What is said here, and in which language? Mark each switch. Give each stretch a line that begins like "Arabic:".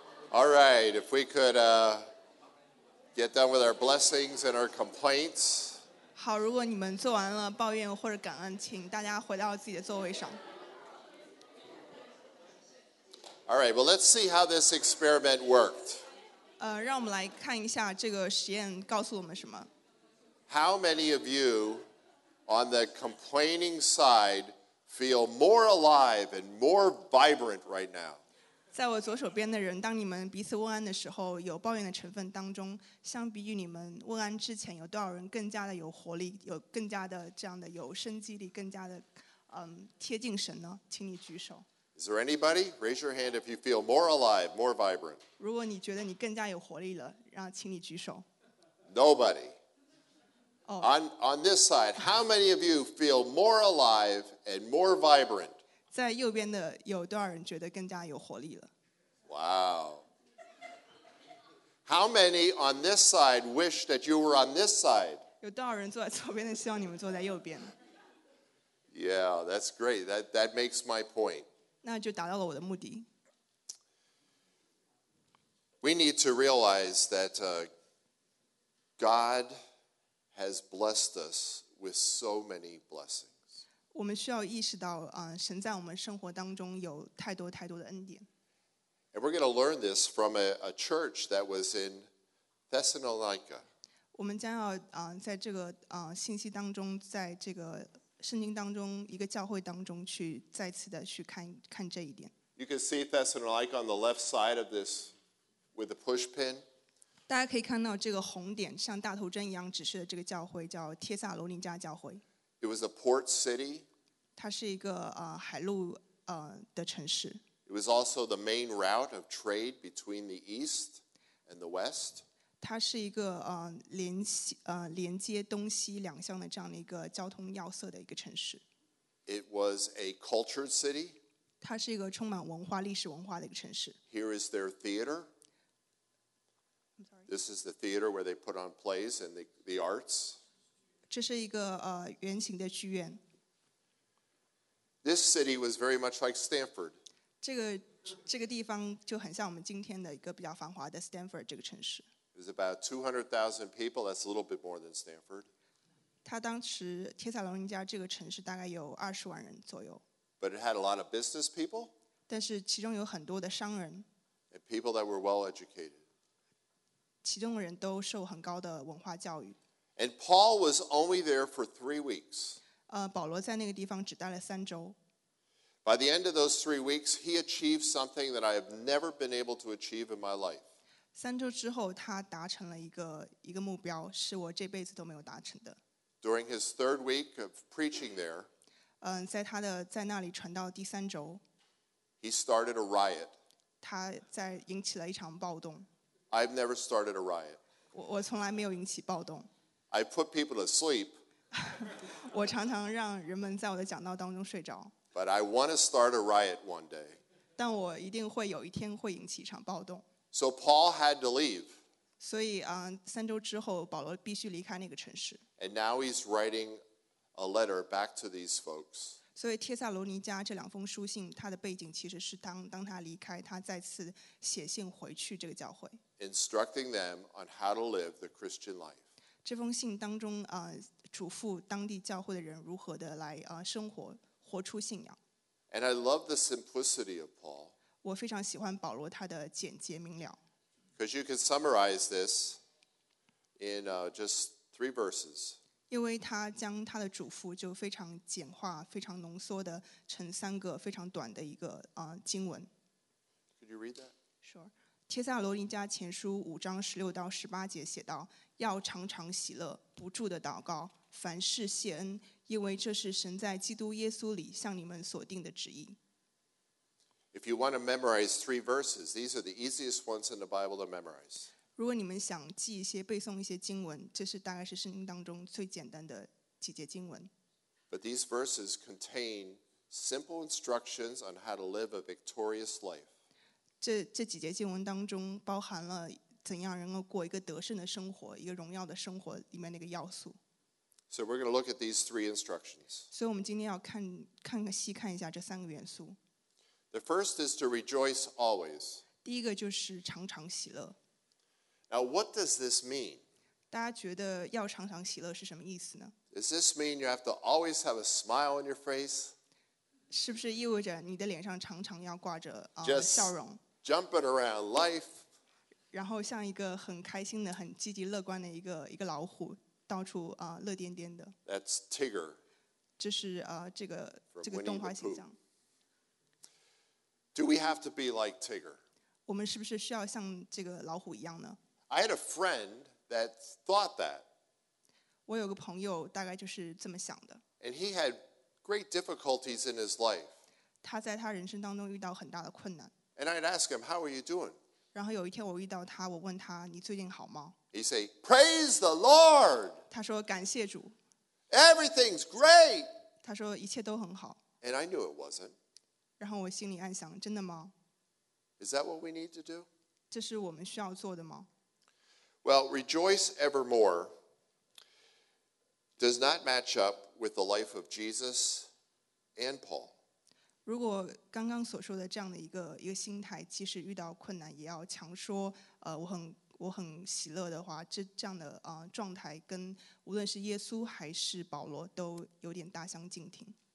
English: All right, if we could get done with our blessings and our complaints.
Chinese: 好，如果你们做完了抱怨或者感恩，请大家回到自己的座位上。
English: All right, well, let's see how this experiment worked.
Chinese: 让我们来看一下这个实验告诉我们什么。
English: How many of you on the complaining side feel more alive and more vibrant right now?
Chinese: 在我左手边的人，当你们彼此问安的时候，有抱怨的成分当中，相比于你们问安之前，有多少人更加的有活力，有更加的这样的有生机力，更加的贴近神呢？请你举手。
English: Is there anybody? Raise your hand if you feel more alive, more vibrant.
Chinese: 如果你觉得你更加有活力了，然后请你举手。
English: Nobody. Oh. On this side, how many of you feel more alive and more vibrant?
Chinese: 在右边的有多少人觉得更加有活力了？
English: Wow. How many on this side wish that you were on this side?
Chinese: 有多少人坐在左边的希望你们坐在右边？
English: Yeah, that's great. That makes my point.
Chinese: 那就达到了我的目的。
English: We need to realize that God has blessed us with so many blessings.
Chinese: 我们需要意识到，神在我们生活当中有太多太多的恩典。
English: And we're going to learn this from a church that was in Thessalonica.
Chinese: 我们将要在这个信息当中，在这个。圣经当中一个教会当中去再次的去 看这一点。
English: You can see Thessalonica on the left side of this with a push pin.
Chinese: 大家可以看到这个红点像大头针一样指示的这个教会叫帖撒罗尼迦教会。
English: It was a port city.
Chinese: 它是一个海路的城市。
English: It was also the main route of trade between the east and the west.
Chinese: 它是一个连接东西两乡的这样的一个交通要塞的一个城市。
English: It was a cultured city.
Chinese: 它是一个充满文化历史文化的一个城市。
English: Here is their theater. I'm sorry. This is the theater where they put on plays and the arts.
Chinese: 这是一个圆形的剧院。
English: This city was very much like Stanford.
Chinese: 这个地方就很像我们今天的一个比较繁华的 Stanford 这个城市。
English: There's about 200,000 people. That's a little bit more than Stanford.
Chinese: 它当时帖撒罗尼迦这个城市大概有20万人左右。
English: But it had a lot of business people.
Chinese: 但是其中有很多的商人。
English: And people that were well educated.
Chinese: 其中的人都受很高的文化教育。
English: And Paul was only there for 3 weeks.
Chinese: 保罗在那个地方只待了三周。
English: By the end of those 3 weeks, he achieved something that I have never been able to achieve in my life.
Chinese: 三周之后，他达成了一个目标，是我这辈子都没有达成的。
English: During his third week of preaching there,
Chinese: 在那里传道第三周
English: ，he started a riot.
Chinese: 他在引起了一场暴动。
English: I've never started a riot.
Chinese: 我从来没有引起暴动。
English: I put people to sleep.
Chinese: 我常常让人们在我的讲道当中睡着。
English: But I want to start a riot one day.
Chinese: 但我一定会有一天会引起一场暴动。
English: So Paul had to leave.
Chinese: 所以三周之后，保罗必须离开那个城市。
English: And now he's writing a letter back to these folks.
Chinese: 所以帖撒罗尼迦这两封书信，它的背景其实是当他离开，他再次写信回去这个教会。
English: Instructing them on how to live the Christian life.
Chinese: 这封信当中嘱咐当地教会的人如何的来生活，活出信仰。
English: And I love the simplicity of Paul.
Chinese: 我非常喜欢保罗他的简洁明了。
English: Because you can summarize this in just 3 verses.
Chinese: 因为他将他的嘱咐就非常简化、非常浓缩的成三个非常短的一个经文。
English: Could you read that? Sure.
Chinese: 帖撒罗尼迦前书5:16-18写道：要常常喜乐，不住的祷告，凡事谢恩，因为这是神在基督耶稣里向你们所定的旨意。
English: If you want to memorize 3 verses, these are the easiest ones in the Bible to memorize.
Chinese: 如果你们想记一些、背诵一些经文，这是大概是圣经当中最简单的几节经文。
English: But these verses contain simple instructions on how to live a victorious life.
Chinese: 这几节经文当中包含了怎样能够过一个得胜的生活、一个荣耀的生活里面那个要素。
English: So we're going to look at these 3 instructions.
Chinese: 所以我们今天要看看细看一下这三个元素。
English: The first is to rejoice always.
Chinese: 第一个就是常常喜乐。
English: Now what does this mean?
Chinese: 大家觉得要常常喜乐是什么意思呢？
English: Does this mean you have to always have a smile on your face?
Chinese: 是不是意味着你的脸上常常要挂着
English: Just
Chinese: 笑容？
English: Jumping around life.
Chinese: 然后像一个很开心的、很积极乐观的一个老虎，到处乐颠颠的。
English: That's Tigger.
Chinese: 这是这个动画形象。
English: Do we have to be like Tigger?
Chinese: 我们是不是需要像这个老虎一样呢？
English: I had a friend that thought that.
Chinese: 我有个朋友大概就是这么想的。
English: And he had great difficulties in his life.
Chinese: 他在他人生当中遇到很大的困难。
English: And I'd ask him, how are you doing?
Chinese: 然后有一天我遇到他，我问他，你最近好吗？
English: He'd say, praise the Lord.
Chinese: 他说感谢主。
English: Everything's great.
Chinese: 他说一切都很好。
English: And I knew it wasn't.
Chinese: 然后我心里暗想，真的吗？
English: Is that what we need to do?
Chinese: 这是我们需要做的吗？
English: Well, rejoice evermore does not match up with the life of Jesus and Paul.
Chinese: 如果刚刚所说的这样的一个心态，即使遇到困难也要强说，我很喜乐的话，这样的状态跟无论是耶稣还是保罗都有点大相径庭。